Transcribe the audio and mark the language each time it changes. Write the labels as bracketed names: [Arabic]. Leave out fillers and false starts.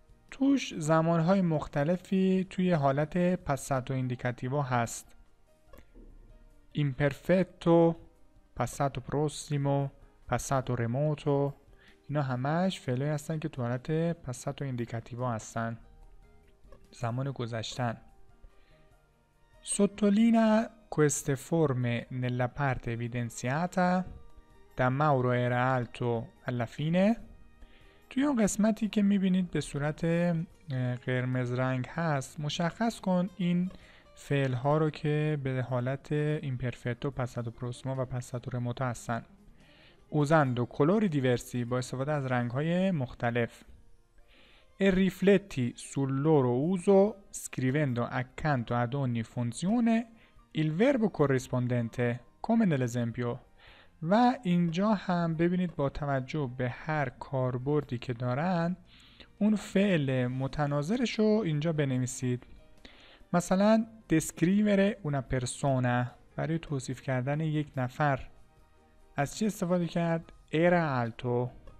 [Persian] توش زمانهای مختلفی توی حالت passato indicativo هست. imperfetto، passato prossimo، passato remoto، اینا همش فعلایی هستن که توی حالت passato indicativo هستن، زمان گذشتن. [Italian] sottolinea queste forme nella parte evidenziata. da Mauro era alto alla fine. [Persian] توی اون قسمتی که میبینید به صورت قرمز رنگ هست، مشخص کن این فعل ها رو که به حالت imperfetto، passato prossimo و passato remoto هستن. [Italian] usando colori diversi، [Persian] با استفاده از رنگ های مختلف. [Italian] e rifletti sul loro uso scrivendo accanto ad ogni funzione il verbo corrispondente come nell'esempio. [Persian] و اینجا هم ببینید با توجه به هر کاربردی که دارن اون فعل متناظرش رو اینجا بنویسید. مثلا دسکریور اونا پرسونا، برای توصیف کردن یک نفر از چی استفاده کرد؟ ایرا آلتو.